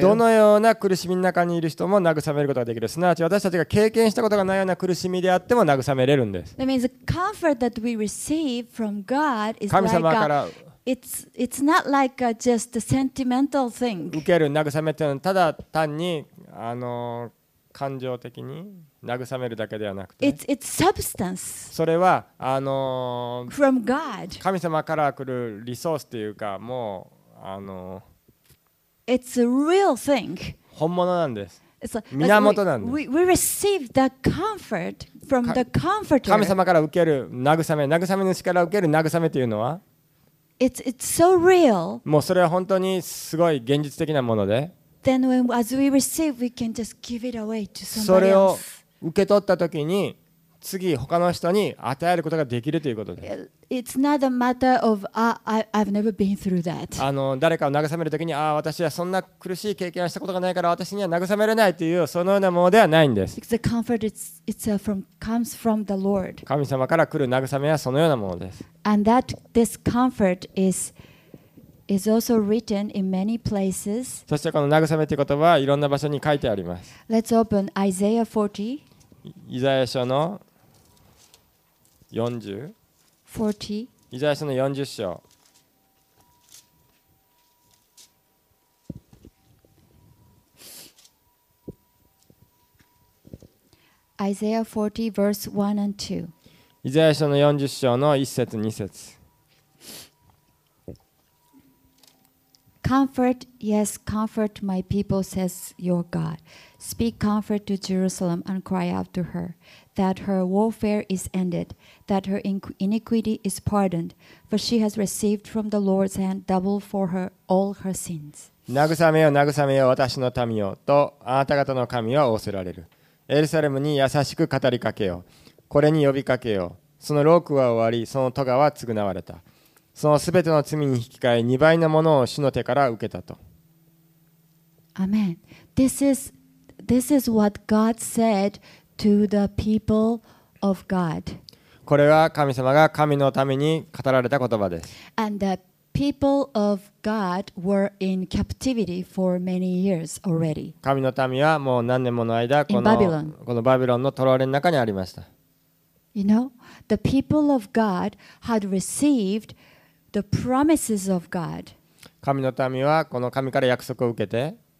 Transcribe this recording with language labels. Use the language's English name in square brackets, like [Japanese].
[Japanese] どのような苦しみの中にいる人も慰めることができる。すなわち私たちが経験したことがないような苦しみであっても慰めれるんです。 [English] That means the comfort that we receive from God is like a. It's not like a just a sentimental thing. [Japanese] 受ける慰めというのはただ単に感情的に慰めるだけではなくて、 [English] It's substance. [Japanese] それは [English] from God. [Japanese] 神様から来るリソースというかもう [English] It's a real thing. [Japanese] 本物なんです。源なんです。Like、 [English] we receive the comfort from the comforter. [Japanese] 神様から受ける慰め、慰め主から受ける慰めというのは。 [English] It's so real. [Japanese] もうそれは本当にすごい現実的なもので。 [English] Then when as we receive, we can just give it away to somebody else. [Japanese] それを受け取ったときに次他の人に与えることができるということです。 [English] It's not a matter of I've never been through that. [Japanese] 誰かを慰めるときに私はそんな苦しい経験をしたことがないから私には慰めれないというそのようなものではないんです。 [English] Because the comfort comes from the Lord. [Japanese] 神様から来る慰めはそのようなものです。 [English] And that this comfort is also written in many places. [Japanese] そしてこの慰めという言葉はいろんな場所に書いてあります。 [English] Let's open Isaiah 40. [Japanese] イザヤ書の40. 40. イザヤ書の40章。 [English] Isaiah 40 verse 1 and 2. [Japanese] イザヤ書の40章の1節2節。 [English] comfort, yes, comfort my people, says your God. Speak comfort to Jerusalem and cry out to her, that her warfare is ended, that her iniquity is pardoned, for she has received from the Lord's hand double for her all her sins. [Japanese] 慰めよ、慰めよ、私の民よ、とあなた方の神は仰せられる。エルサレムに優しく語りかけよ、これに呼びかけよ。そのロークは終わり、その咎は償われた。そのすべての罪に引き換え、二倍のものを主の手から受けたと。アメン。 [English] This is what God said to the people of God. [Japanese] これは神様が神のために語られた言葉です。 [English] And the people of God were in captivity for many years already. [Japanese] 神の民はもう何年もの間このバビロンの囚われの中にありました。 [English] You know, the people of God had received the promises of God. [Japanese] 神の民はこの神から約束を受けて、